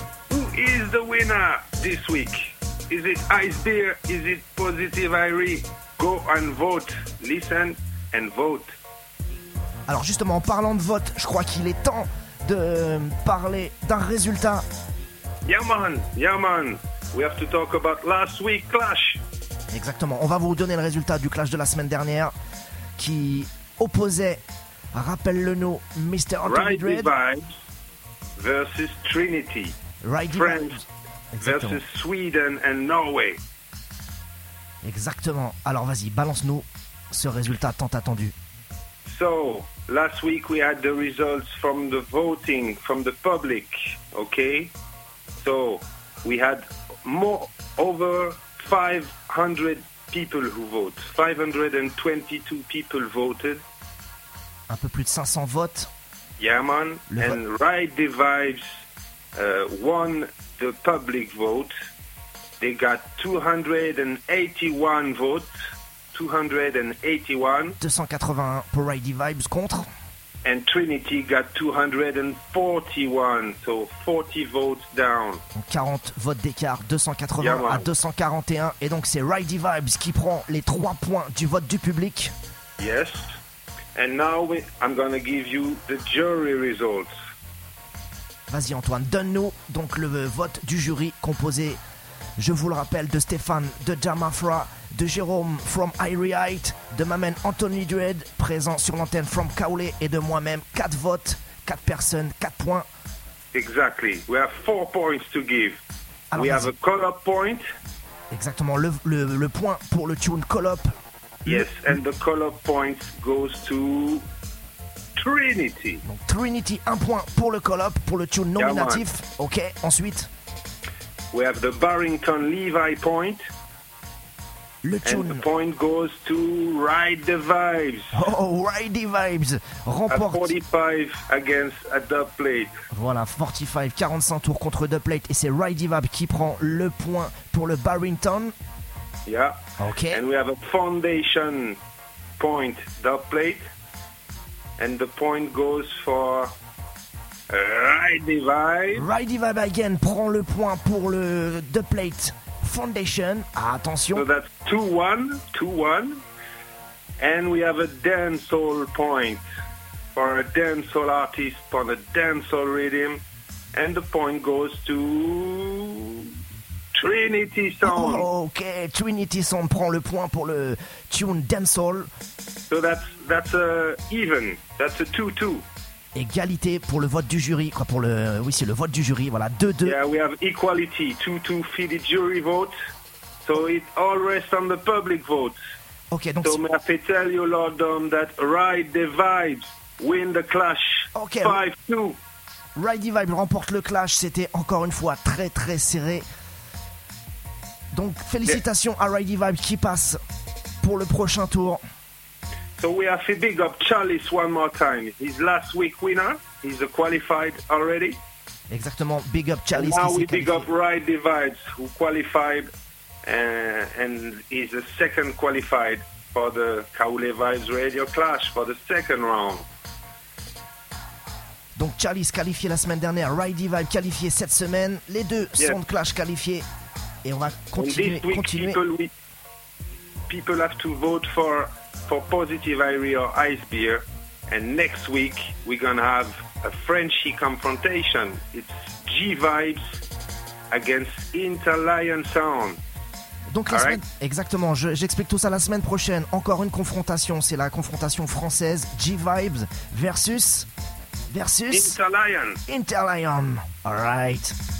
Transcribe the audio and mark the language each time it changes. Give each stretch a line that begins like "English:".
English: Who is the winner this week? Is it Ice Bear? Is it Positive Irie? Go and vote. Listen and vote.
French: Alors justement, en parlant de vote, je crois qu'il est temps de parler d'un résultat.
English: Yeah man, we have to talk about last week clash.
French: Exactement, on va vous donner le résultat du clash de la semaine dernière qui opposait, rappelle-le nous, Mr.
English: Anthony Dread. Righty Vibes versus Trinity. Righty Friends Vibes. Versus Sweden and Norway.
French: Exactement, alors vas-y, balance-nous ce résultat tant attendu.
English: So, last week we had the results from the voting, from the public, okay? So, we had over 500 people who vote. 522 people voted.
French: Un peu plus de 500 votes.
English: Yeah, man. And Righty Vibes won the public vote. They got 281 votes. 281
French: pour Ridey Vibes contre,
English: and Trinity got 241, so 40 votes down.
French: 40 votes d'écart, 280 yeah, à 241, et donc c'est Ridey Vibes qui prend les 3 points du vote du public.
English: Yes. And now I'm going to give you the jury results.
French: Vas-y Antoine, donne-nous donc le vote du jury composé, je vous le rappelle, de Stéphane, de Jamafra, de Jérôme from Irieite, de ma main Anthony Dread présent sur l'antenne from Kaolé, et de moi-même. 4 votes, 4 personnes, 4 points.
English: Exactly. We have 4 points to give.
French: Alors,
English: we have a call-up point.
French: Exactement, le point pour le tune call-up.
English: Yes, and the call-up point goes to Trinity.
French: Donc, Trinity, un point pour le call-up, pour le tune nominatif. Yeah, ok, ensuite.
English: We have the Barrington Levi point.
French: Le tune.
English: And the point goes to Ridey Vibes.
French: Oh, Ridey Vibes remporte.
English: At 45 against a dub plate.
French: Voilà, 45, 45 tours contre dub plate. Et c'est Ridey Vibes qui prend le point pour le Barrington.
English: Yeah. Okay. And we have a foundation point dub plate. And the point goes for Ridey Vibes.
French: Ridey Vibes again prend le point pour le dub plate. Foundation, ah, attention.
English: So that's 2-1, and we have a dancehall point for a dancehall artist on a dancehall rhythm, and the point goes to Trinity Sound.
French: Ok, Trinity Sound prend le point pour le tune dancehall.
English: So that's even, that's a 2-2.
French: Égalité pour le vote du jury, quoi, pour le, oui, c'est le vote du jury, voilà, 2-2.
English: Yeah, we have equality, 2-2 for the jury vote, so it all rests on the public vote.
French: Ok, donc
English: so may I tell you, Lord Dom, that Ridey Vibes win the clash.
French: Ok, 5-2. Ridey Vibes remporte le clash, c'était encore une fois très très serré. Donc félicitations yeah. à Ridey Vibes qui passe pour le prochain tour.
English: So we have to big up Chalice one more time. He's last week winner. He's a qualified already.
French: Exactement, big up Chalice.
English: Now we big up Ridey Vibes, who qualified and is the second qualified for the Kaolé Vibes Radio Clash for the second round.
French: Donc Chalice qualifié la semaine dernière, Ridey Vibes qualifié cette semaine. Les deux yes. sont de clash qualifiés. Et on va continuer.
English: This week,
French: continuer.
English: People have to vote for Positive Irie or Ice Beer, and next week we're gonna have a Frenchie confrontation. It's G Vibes against Interlion Sound.
French: Donc la semaine, exactement, j'explique tout ça la semaine prochaine. Encore une confrontation, c'est la confrontation française G Vibes versus Interlion.
English: All right.